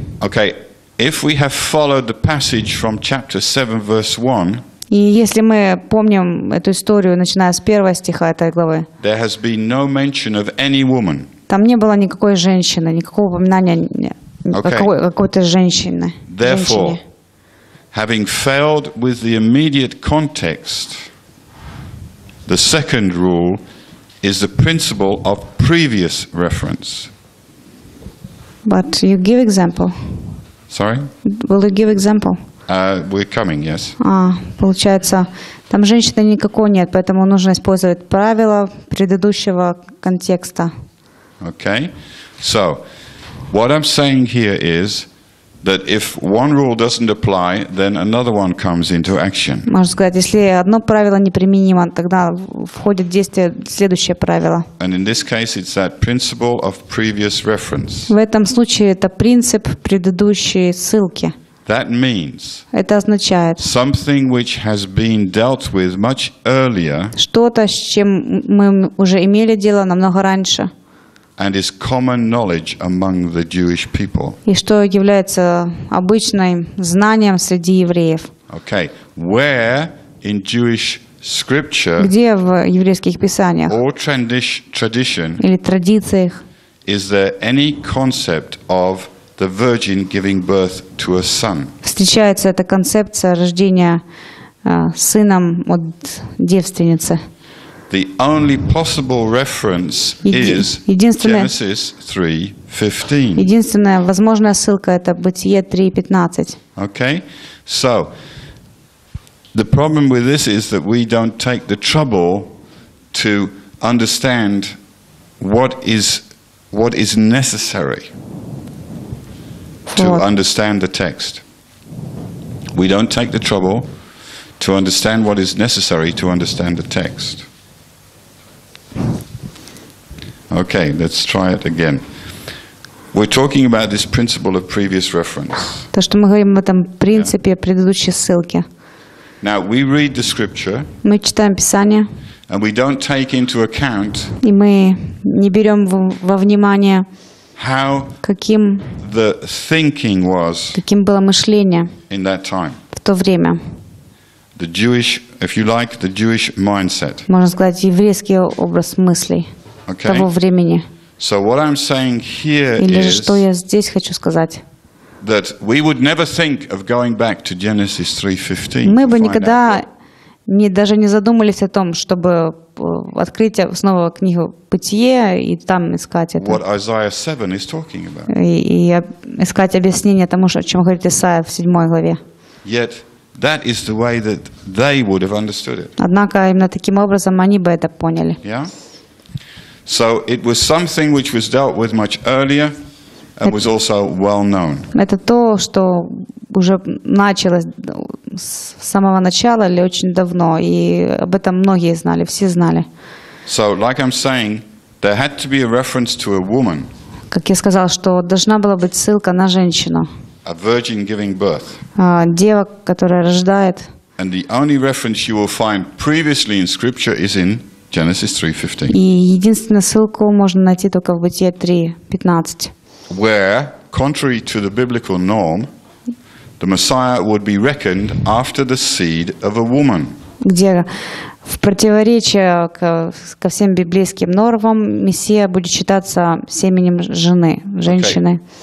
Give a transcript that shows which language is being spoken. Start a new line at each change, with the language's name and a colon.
English: Okay, if we have followed the passage from chapter 7, verse 1,
Russian: и если мы помним эту историю, начиная с первого стиха этой главы,
English: there has been no mention of any woman.
Russian: Там не было никакой женщины, никакого упоминания какой-то женщины.
English: Therefore, having failed with the immediate context, the second rule is the principle of previous reference. But you give example. Sorry? Will you give example? We're coming, yes.
Russian: Получается, там женщины никакой нет, поэтому нужно использовать правила предыдущего контекста.
English: Okay. So, what I'm saying here is that if one rule doesn't apply, then another one comes into action.
Russian: Можно сказать, если одно правило неприменимо, тогда входит в действие следующее правило.
English: And in this case, it's that principle of previous reference.
Russian: В этом случае это принцип предыдущей ссылки.
English: That means.
Russian: Это означает.
English: Something which has been dealt with much earlier.
Russian: Что-то, с чем мы уже имели дело намного раньше.
English: And is common knowledge among the Jewish people.
Russian: И что является обычным знанием среди евреев?
English: Okay, where in Jewish scripture?
Russian: Где в еврейских писаниях?
English: Or tradition?
Russian: Или традициях?
English: Is there any concept of the virgin giving birth to a son?
Russian: Встречается эта концепция рождения сыном от девственницы?
English: The only possible reference is Genesis 3:15.
Russian: Единственная возможная ссылка это Бытие 3:15.
English: Okay, so the problem with this is that we don't take the trouble to understand what is necessary to understand the text. We don't take the trouble to understand what is necessary to understand the text. Okay, let's try it again. We're talking about this principle of previous reference.
Russian: То, что мы говорим в этом принципе предыдущей ссылки.
English: Now we read the scripture.
Russian: Мы читаем Писание.
English: And we don't take into account.
Russian: И мы не берем во внимание.
English: How
Russian: каким
English: the thinking was.
Russian: Каким было мышление.
English: In that time.
Russian: В то время.
English: The Jewish, if you like, the Jewish mindset.
Russian: Можно сказать еврейский образ мыслей.
English: Okay.
Russian: Того времени.
English: So what I'm saying here
Russian: или
English: is,
Russian: что я здесь хочу сказать,
English: that we would never think of going back to Genesis 3:15.
Russian: Мы бы никогда не даже не задумались о том, чтобы открыть снова книгу Бытие и там искать это.
English: What Isaiah 7 is talking about.
Russian: И искать объяснение тому, о чем говорит Исаия в 7 главе.
English: Yet that is the way that they would have understood it.
Russian: Однако именно таким образом они бы это поняли.
English: Yeah. So it was something which was dealt with much earlier and was also well known.
Russian: Это то, что уже началось с самого начала или очень давно, и об этом многие знали, все знали.
English: So, like I'm saying, there had to be a reference to a woman.
Russian: Как я сказал, что должна была быть ссылка на женщину.
English: A virgin giving birth.
Russian: Дева, которая рождает.
English: And the only reference you will find previously in Scripture is in Genesis 3:15.
Russian: И единственную ссылку можно найти только в Бытие 3:15.
English: Where, contrary to the biblical norm, the Messiah would be reckoned after the seed of a woman.
Russian: Где в противоречие ко всем библейским нормам Мессия будет считаться семенем жены, женщины.